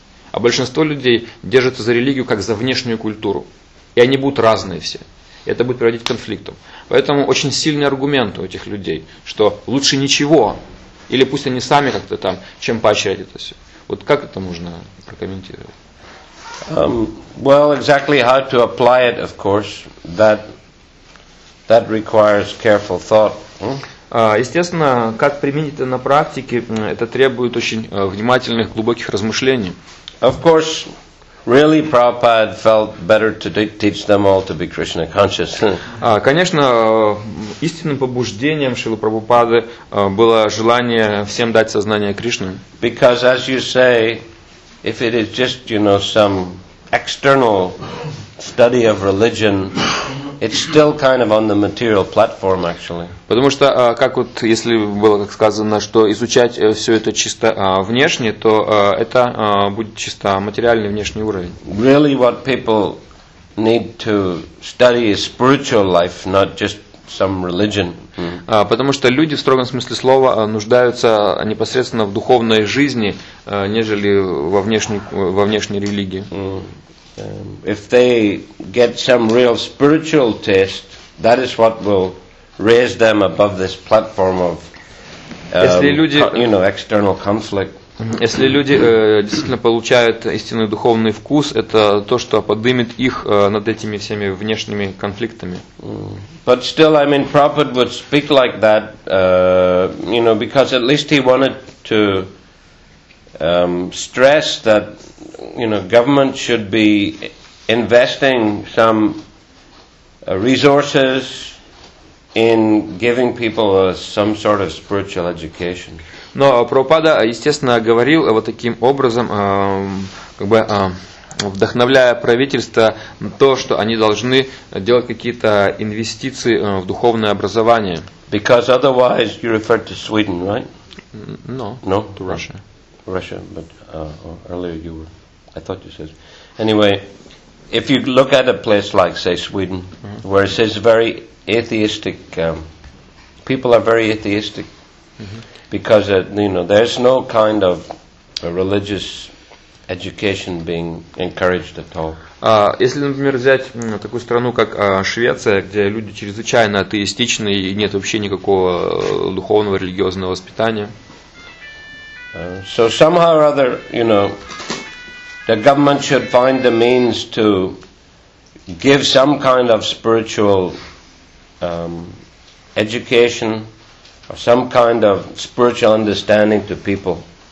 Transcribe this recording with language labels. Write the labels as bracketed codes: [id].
[ru] А большинство людей держатся за религию как за внешнюю культуру. И они будут разные все. И это будет приводить к конфликтам. Поэтому очень сильный аргумент у этих людей, что лучше ничего. Или пусть они сами как-то там, чем поощрять это все. Вот как это можно прокомментировать? [en] Well, exactly how to apply it, of course, that requires careful thought. [ru] Естественно, как применить это на практике, это требует очень внимательных, глубоких размышлений. [en] Of course, really, Prabhupada felt better to teach them all to be Krishna conscious. [ru] Конечно, истинным побуждением Шрилы Прабхупады было желание всем дать сознание Кришне. [en] Because, as you say, if it is just, you know, some external study of religion, it's still kind of on the material platform, actually. [ru] Потому что, как вот, если было как сказано, что изучать все это чисто внешне, то это будет чисто материальный внешний уровень. [en] Really, what people need to study is spiritual life, not just some religion. [ru] Потому что люди, в строгом смысле слова, нуждаются непосредственно в духовной жизни, нежели во внешней религии. [en] If they get some real spiritual taste, that is what will raise them above this platform of, you know, external conflict. [ru] Если люди действительно получают истинный духовный вкус, это то, что поднимет их над этими всеми внешними конфликтами. [en] But still, I mean, Prabhupada would speak like that, you know, because at least he wanted to stress that, you know, government should be investing some resources in giving people some sort of spiritual education. [ru] Но Прабхупада, естественно, говорил вот таким образом, как бы вдохновляя правительство на то, что они должны делать какие-то инвестиции в духовное образование. [en] Because otherwise you refer to Sweden, right? No, to Russia. Russia, but earlier you were. I thought you said. Anyway, if you look at a place like, say, Sweden, mm-hmm. where it says very atheistic, people are very atheistic, mm-hmm. because you know there's no kind of religious education being encouraged at all. [ru] Если, например, взять такую страну, как Швеция, где люди чрезвычайно атеистичны и нет вообще никакого духовного религиозного воспитания. [en] So somehow or other, you know, the government should find the means to give some kind of spiritual education or some kind of spiritual understanding to people.